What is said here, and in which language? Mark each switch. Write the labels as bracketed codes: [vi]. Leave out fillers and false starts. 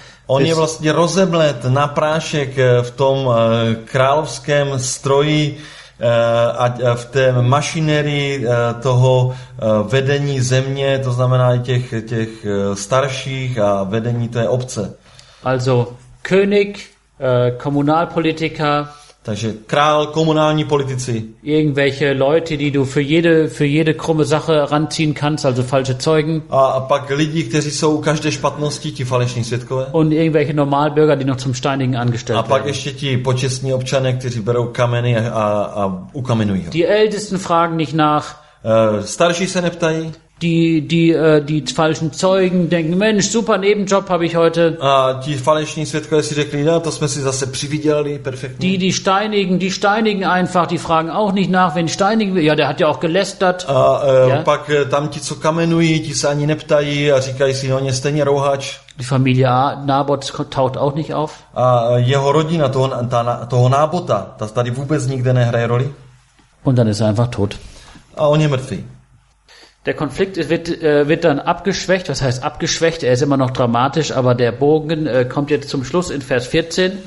[cs] On je vlastně rozeblet na prášek v tom královském stroji a v té mašinerii toho vedení země, to znamená i těch starších a vedení té obce. [de] Also König, Kommunalpolitiker, [cs] takže král, komunální politici, [de] irgendwelche Leute, die du für jede krumme Sache ranziehen kannst, also falsche Zeugen, [cs] a pak lidi, kteří jsou u každé špatnosti, ti falešní svědkové, [de] und irgendwelche Normalbürger, die noch zum Steinigen angestellt werden, [cs] a pak ještě ti počestní občané, kteří berou kameny a ukamenují ho. [de] Die Ältesten fragen nicht nach, [cs] starší se neptají. [de] Die falschen Zeugen denken, Mensch, super Nebenjob habe ich heute. [cs] A ti falešní svědkové si řekli, no, to jsme si zase přivydělali, perfektně. [de] Die steinigen einfach, die fragen auch nicht nach, wenn steinigen, ja, der hat ja auch gelästert. [cs] A pak tam ti, co kamenují, ti se ani neptají a říkají si, no, on je stejně rouhač. [de] Die Familie Nabot taucht auch nicht auf. [cs] A jeho rodina, toho Nabota, ta tady vůbec nikde nehraje roli. [de] Und dann ist er einfach tot. [cs] A on je mrtvý. [de] Der Konflikt wird dann abgeschwächt, was heißt abgeschwächt, er ist immer noch dramatisch, aber der Bogen kommt jetzt zum Schluss in Vers 14.